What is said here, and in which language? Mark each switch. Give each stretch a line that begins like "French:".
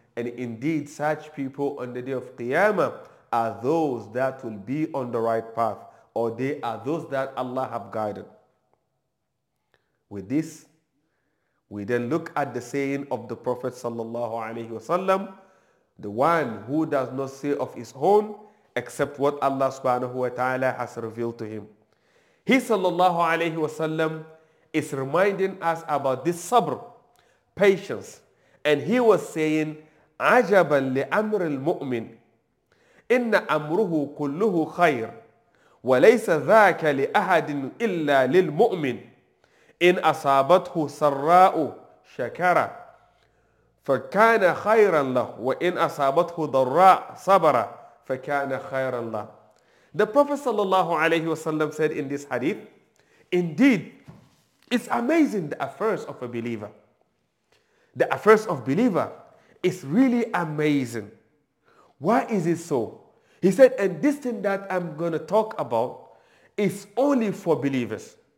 English: And indeed, such people on the day of Qiyamah are those that will be on the right path, or they are those that Allah have guided. With this, we then look at the saying of the Prophet sallallahu alaihi wasallam, the one who does not say of his own except what Allah subhanahu wa ta'ala has revealed to him. He sallallahu alaihi wasallam is reminding us about this sabr, patience, and he was saying,
Arabic: عَجَبًا لِأَمْرِ الْمُؤْمِنِ إِنَّ أَمْرُهُ كُلُّهُ خَيْرٌ وَلَيْسَ ذَاكَ لِأَحَدٍ إِلَّا لِلْمُؤْمِنِ إِنْ أَصَابَتْهُ سَرَّاءُ شَكَرَ فَكَانَ خَيْرًا لَهُ وَإِنْ أَصَابَتْهُ ضَرَّاءُ صَبَرَ فَكَانَ خَيْرًا لَهُ.
English: The Prophet sallallahu alayhi wa sallam said in this hadith, indeed, it's amazing the affairs of a believer. The affairs of believer is really amazing. Why is it so? He said, and this thing that I'm going to talk about is only for believers.